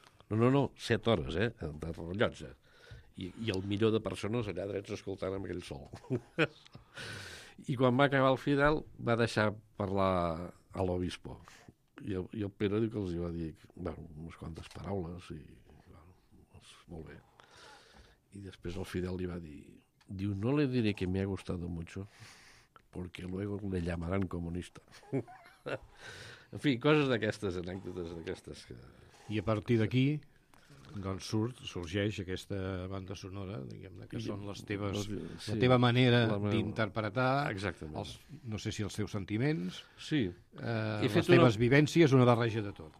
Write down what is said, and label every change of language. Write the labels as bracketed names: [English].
[Catalan] No, 7 hores, de rellotge. I el millor de persones allà drets escoltant amb aquell sol. I quan va acabar el Fidel, va deixar parlar a l'obispo. I el Pere diu que els hi va dir, bueno, unes quantes paraules, i bueno, doncs, molt bé. I després el Fidel li va dir, diu, [Spanish] no le diré que me ha gustado mucho, porque luego le llamarán comunista. [Catalan] En fi, coses d'aquestes, anècdotes d'aquestes. Que... I a partir d'aquí, doncs sorgeix aquesta banda sonora, diguem-ne, que són les teves, sí, la teva manera d'interpretar, no sé si els teus sentiments, sí. Les teves vivències, una barreja de tot.